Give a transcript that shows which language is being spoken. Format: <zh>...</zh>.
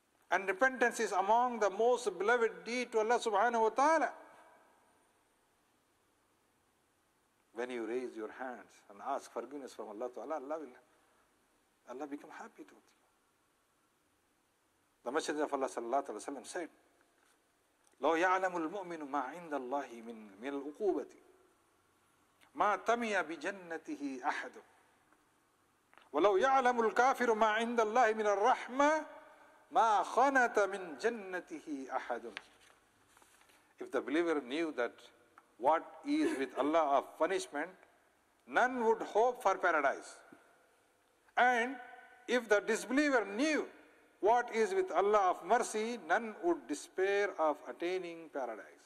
<en>And repentance is among the most beloved deed to Allah subhanahu wa ta'ala. When you raise your hands and ask forgiveness from Allah to Allah, Allah become happy to you. The Messenger of Allah sallallahu alaihi wasallam said,</en> <ar>لو يعلم المؤمن ما عند الله من العقوبة ما تمي بجنته أحد ولو يعلم الكافر ما عند الله من الرحمة ما خنت من جنته أحد.</ar> <en>If the believer knew that what is with Allah of punishment, none would hope for paradise. And if the disbeliever knew what is with Allah of mercy, none would despair of attaining paradise.</en>